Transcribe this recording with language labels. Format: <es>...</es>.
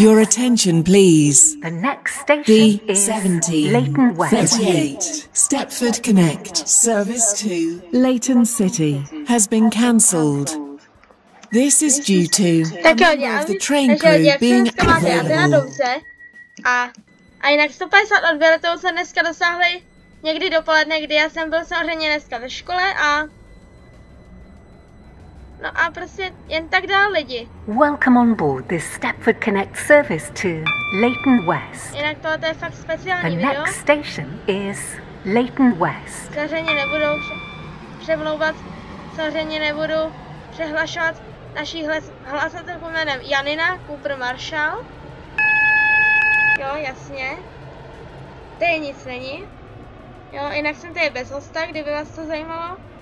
<en>Your attention, please. The next station is Leighton West. 38. Stepford Connect. Service to Leighton City has been cancelled. This is due to the train crew being unavailable.</en> <cs>A jinak 150 odběratelů se dneska dosáhli někdy dopoledne, kdy já jsem byl samozřejmě dneska ve škole a... No a prostě jen tak dál lidi.</cs> <en>Welcome on board this Stepford Connect service to Leighton West.</en> <cs>Jinak tohle to je fakt speciální</cs> <en>the</en> <cs>video.</cs> <en>The next station is Leighton West.</en> <cs>Samozřejmě nebudu přemlouvat, samozřejmě nebudu přehlašovat naší hlasatelku jménem Janina Cooper Marshall. Jo, jasně. Tady nic není. Jo, jinak jsem tady bez hosta, kdyby vás to zajímalo.</cs>